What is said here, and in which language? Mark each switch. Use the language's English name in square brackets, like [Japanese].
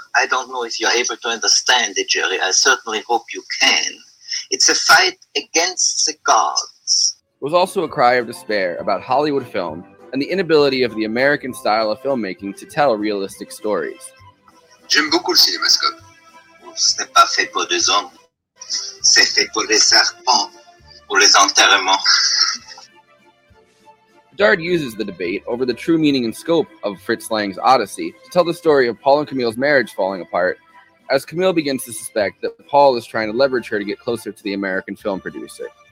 [English] I don't know if you're able to understand it, Jerry. I certainly hope you can. It's a fight against the gods. It was also a cry of despair about Hollywood film and the inability of the American style of filmmaking to tell realistic stories. [French] J'aime beaucoup le cinémascope. Ce n'est pas fait pour des hommes. C'est fait pour les serpents, pour les enterrements. [English] Godard uses the debate over the true meaning and scope of Fritz Lang's Odyssey to tell the story of Paul and Camille's marriage falling apart, as Camille begins to suspect that Paul is trying to leverage her to get closer to the American film producer.